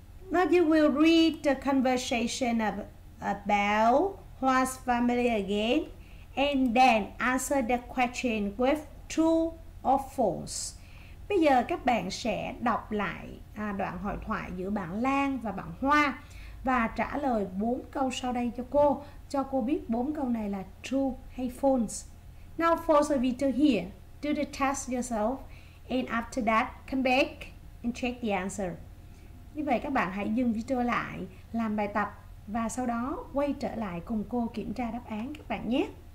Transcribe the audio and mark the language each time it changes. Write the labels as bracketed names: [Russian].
[English] Now you will read the conversation about Hua's family again, and then answer the question with true or false. [Vietnamese] Bây giờ các bạn sẽ đọc lại đoạn hội thoại giữa bạn Lan và bạn Hoa và trả lời 4 câu sau đây cho cô biết 4 câu này là true hay false. [English] Now for the video here, do the test yourself and after that come back and check the answer. [Vietnamese] Như vậy các bạn hãy dừng video lại, làm bài tập và sau đó quay trở lại cùng cô kiểm tra đáp án các bạn nhé.